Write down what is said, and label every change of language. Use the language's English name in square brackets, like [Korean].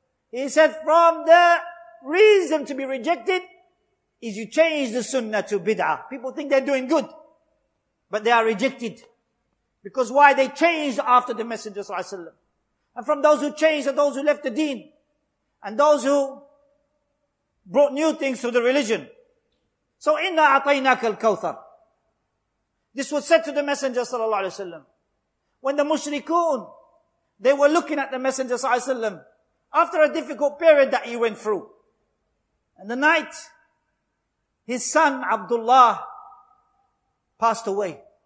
[English] He said, from the reason to be rejected is you change the sunnah to bid'ah. People think they're doing good, but they are rejected. Because why? They changed after the Messenger Sallallahu Alaihi Wasallam. And from those who changed are those who left the deen. And those who brought new things to the religion. So, [Arabic] إِنَّا أَعْطَيْنَاكَ الْكَوْثَرِ. [English] This was said to the Messenger Sallallahu Alaihi Wasallam. When the mushrikun, they were looking at the Messenger Sallallahu Alaihi Wasallam after a difficult period that he went through. And the night, his son Abdullah passed away.